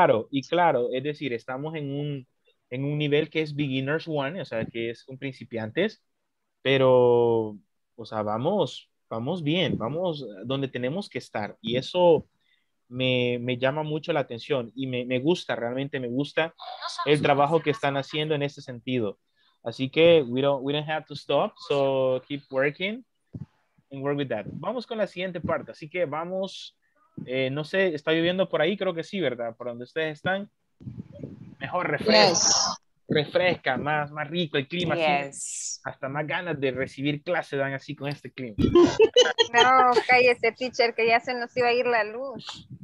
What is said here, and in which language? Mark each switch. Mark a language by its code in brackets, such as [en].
[es] Y claro, es decir, estamos en un nivel que es beginners one, o sea, que es un principiantes, pero, o sea, vamos bien, vamos donde tenemos que estar, y eso me llama mucho la atención, y me gusta, realmente me gusta el trabajo que están haciendo en este sentido. Así que, [en] we don't have to stop, so keep working and work with that. [es] Vamos con la siguiente parte, así que vamos, no sé, está lloviendo por ahí, creo que sí, ¿verdad? Por donde ustedes están. Mejor refresca, más rico el clima. [en] Yes. [es] Así, hasta más ganas de recibir clase dan así con este clima. No, cállese, teacher, que ya se nos iba a ir la luz.